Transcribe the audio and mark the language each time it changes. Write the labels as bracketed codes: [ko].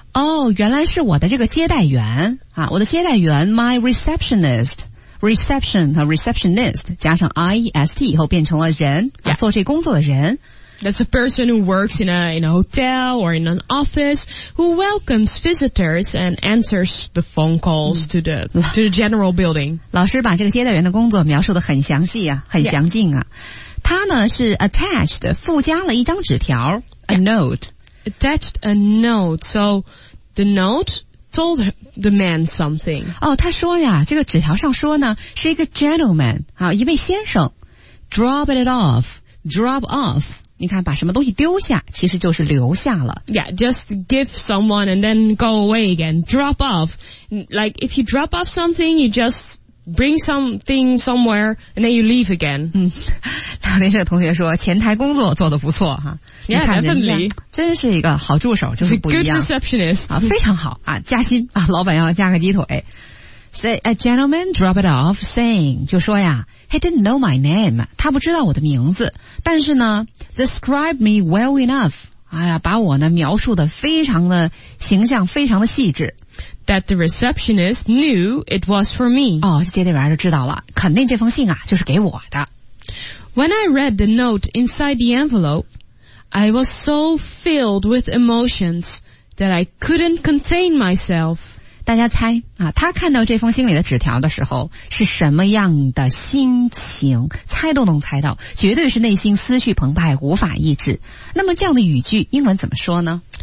[zh] 哦、oh, 原来是我的这个接待员啊，我的接待员 my receptionist reception 和 receptionist 加上 IEST 以后变成了人、 [en] yeah. [zh] 做这工作的人 [en] That's a person who works in a hotel or in an office who welcomes visitors and answers the phone calls to the general building. [zh] 老师把这个接待员的工作描述得很详细啊，很详尽啊。 [en] Yeah. [zh] 他呢是 attached, 附加了一张纸条 [en] ,a note. Attached a note. So the note told the man something. [zh] 哦，他说呀，这个纸条上说呢，是一个 gentleman, 啊，一位先生 , [en] drop it off, drop off. [zh] 你看把什么东西丢下其实就是留下了 [en] Yeah, just give someone and then go away again Drop off Like if you drop off something You just bring something somewhere And then you leave again [zh] 那天这个同学说前台工作做得不错哈 [en] Yeah, definitely [zh] 真是一个好助手就是不一样 [en] It's a good receptionist [zh] 啊，非常好啊，加薪啊，老板要加个鸡腿 [en] Say a gentleman drop it off saying [zh] 就说呀 [en] He didn't know my name. [zh] 他不知道我的名字。但是呢 , [en] describe me well enough. [zh] 哎呀把我呢描述得非常的形象非常的细致。 [en] That the receptionist knew it was for me. [zh] 哦接待员就知道了。肯定这封信啊就是给我的。 [en] When I read the note inside the envelope, I was so filled with emotions that I couldn't contain myself. [zh] 大家猜啊，他看到这封信里的纸条的时候是什么样的心情？猜都能猜到，绝对是内心思绪澎湃，无法抑制。那么这样的语句英文怎么说呢